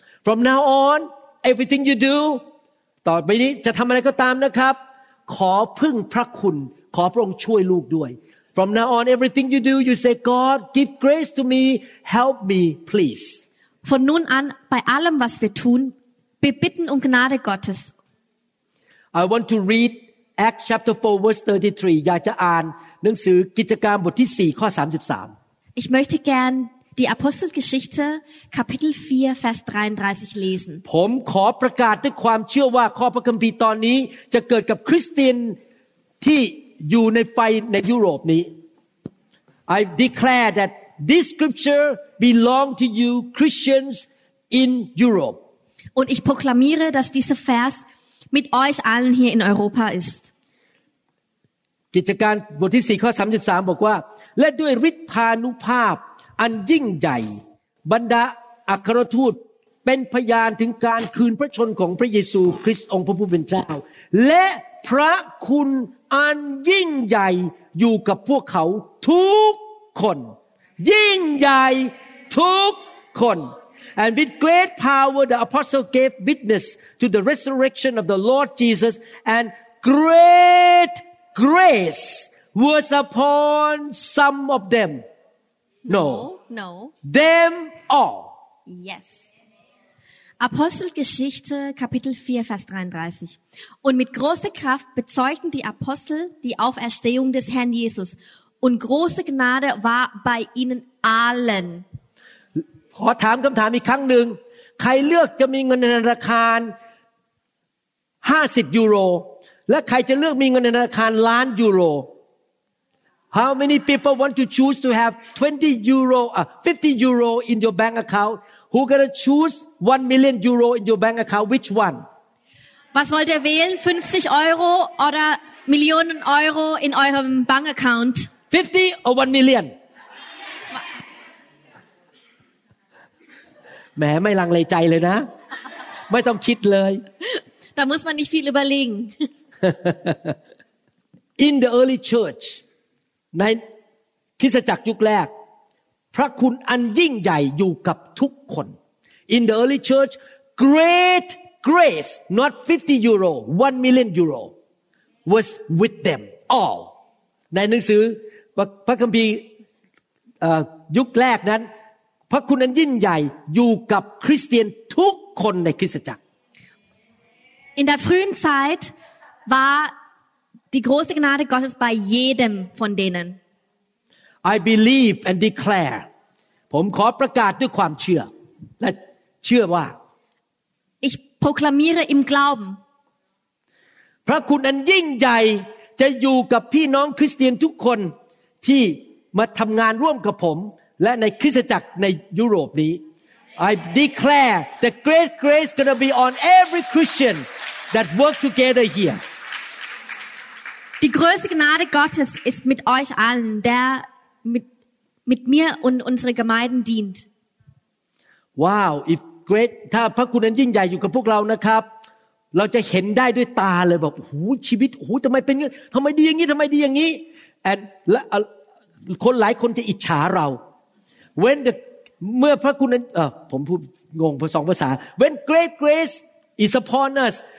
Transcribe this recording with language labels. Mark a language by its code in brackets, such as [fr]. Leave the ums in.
[en] From now on, everything you do, [th] ต่อไปนี้จะทำอะไรก็ตามนะครับ ขอพึ่งพระคุณขอพระองค์ช่วยลูกด้วย [en] From now on, everything you do, you say, God, give grace to me, help me, please. [de] Von nun an, bei allem, was wir tun, wir bitten um Gnade Gottes. [en] I want to read Acts chapter 4, verse 33. [th] อยากจะอ่านหนังสือกิจการบทที่4ข้อ33 [de] Ich möchte gern die Apostelgeschichte Kapitel 4 Vers 33 lesen. [th] ผมขอประกาศด้วยความเชื่อว่าข้อพระคัมภีร์ตอนนี้จะเกิดกับคริสเตียนที่อยู่ในไฟในยุโรปนี้ [en] I declare that this scripture belong to you Christians in Europe. [de] Und ich proklamiere, dass dieser Vers mit euch allen hier in Europa ist. [th] กิจการบทที่ 4ข้อ33บอกว่าและด้วยฤทธานุภาพอันยิ่งใหญ่ บรรดาอัครทูตเป็นพยานถึงการคืนพระชนของพระเยซู คริสต์องค์พระผู้เป็นเจ้าและพระคุณอันยิ่งใหญ่อยู่กับพวกเขาทุกคน ยิ่งใหญ่ทุกคน [en] and with great power the apostle gave witness to the resurrection of the Lord Jesus and great grace was upon some of them No. No. Them all. Yes. [de] Apostelgeschichte, Kapitel 4, Vers 33. Und mit großer Kraft bezeugten die Apostel die Auferstehung des Herrn Jesus. Und große Gnade war bei ihnen allen. [th] ขอถามคำถามอีกครั้งหนึ่งใครเลือกจะมีเงินในธนาคาร50ยูโรและใครจะเลือกมีเงินในธนาคารล้านยูโร [en] How many people want to choose to have 20 euro, uh, 50 euro in your bank account? Who gonna choose 1 million euro in your bank account? Which one? [de] Was wollt ihr wählen? 50 Euro oder Millionen Euro in eurem Bankaccount? 50 [en] or 1 million? [th] แหมไม่ลังเลใจเลยนะไม่ต้องคิดเลย [de] Da muss man nicht viel überlegen. [en] In the early church, [th] ในคริสตจักรยุคแรก พระคุณอันยิ่งใหญ่อยู่กับทุกคน [en] in the early church great grace not 50 euro 1 million euro was with them all [th] ในหนังสือพระคัมภีร์ยุคแรกนั้น พระคุณอันยิ่งใหญ่อยู่กับคริสเตียนทุกคนในคริสตจักร [de] In der frühen Zeit war Die große Gnade Gottes bei jedem von denen. [en] I believe and declare. [th] ผมขอประกาศด้วยความเชื่อและเชื่อว่า [de] Ich proklamiere im Glauben. [th] พระคุณอันยิ่งใหญ่จะอยู่กับพี่น้องคริสเตียนทุกคนที่มาทำงานร่วมกับผมและในคริสตจักรในยุโรปนี้ [en] I declare the great grace gonna be on every Christian that work together here [de] Die größte Gnade Gottes ist mit euch allen, der mit, mit mir und unsere Gemeinden dient. [en] Wow, if great, [th] ถ้าพระคุณนั้นยิ่งใหญ่อยู่กับพวกเรานะครับ เราจะเห็นได้ด้วยตาเลยแบบหูชีวิตหูทำไมเป็นทำไมดีอย่างนี้ทำไมดีอย่างนี้ [en] and [th] และคนหลายคนจะอิจฉาเรา [en] when the [th] เมื่อพระคุณนั้นเออผมพูดงงสองภาษา [en] when great grace is upon us.